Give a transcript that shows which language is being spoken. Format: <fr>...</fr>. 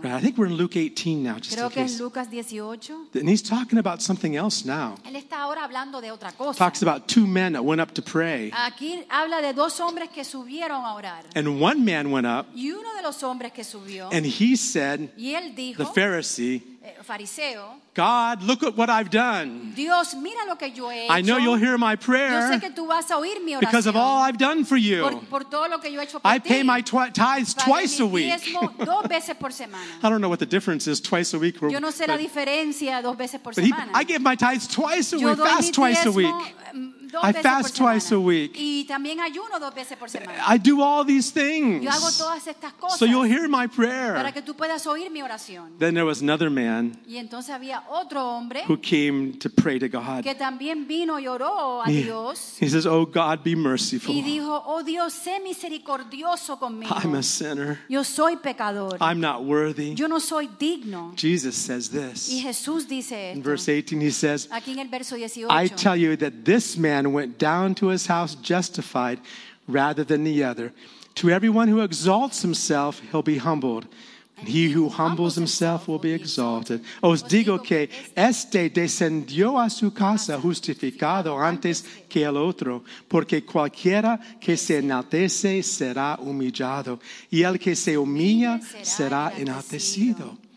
<en>Right, I think we're in Luke 18 now, just</en> <es>Creo</es> <en>in</en> <es>que</es> <en>case.</en> <es>Es Lucas 18.</es> <en>And he's talking about something else now.</en> <es>Él está ahora hablando de otra cosa.</es> <en>Talks about two men that went up to pray.</en> <es>Aquí habla de dos hombres que subieron a orar.</es> <en>And one man went up</en> <es>y uno de los hombres que subió,</es> <en>and he said,</en> <es>y él dijo,</es> <en>the Pharisee,</en> <es>fariseo,</es> <en>God, look at what I've done.</en> <es>Dios, mira lo que yo he hecho.</es> <en>I know you'll hear my prayer</en> <es>yo sé que tú vas a oír mi oración</es> <en>because of all I've done for you.</en> <es>Por todo lo que yo he hecho por</es> <en>I Pay my tithes</en> <es>vale,</es> <en>twice a week.</en> <es>Diezmo, dos veces por semana.</es> <en>I don't know what the difference is twice a week.</en> <es>Yo no sé</es> <en>but,</en> <es>la diferencia dos veces por semana.</es> <en>I give my tithes twice a</en> <es>yo</es> <en>week, fast twice a week. I fast twice</en> <es>semana.</es> <en>A week.</en> <es>Y también ayuno dos veces por semana.</es> <en>I do all these things.</en> <es>Yo hago todas estas cosas</es> <en>so you'll hear my prayer.</en> <es>Para que tú puedas oír mi oración.</es> <en>Then there was another man</en> <es>y entonces había otro hombre</es> <en>who came to pray to God.</en> <es>Que también vino y oró a Dios.</es> <en>He says, oh God, be merciful.</en> <es>Y dijo, oh Dios, sé misericordioso conmigo.</es> <en>I'm a sinner.</en> <es>Yo soy pecador.</es> <en>I'm not worthy.</en> <es>Yo no soy digno.</es> <en>Jesus says this.</en> <es>Y Jesús dice esto.</es> <en>In verse 18 he says,</en> <es>aquí en el verso 18,</es> <en>I tell you that this man went down to his house justified rather than the other. To everyone who exalts himself, he'll be humbled. And he who humbles himself will be exalted.</en> <es>Os digo que este descendió a su casa justificado antes que el otro, porque cualquiera que se enaltece será humillado, y el que se humilla será enaltecido.</es>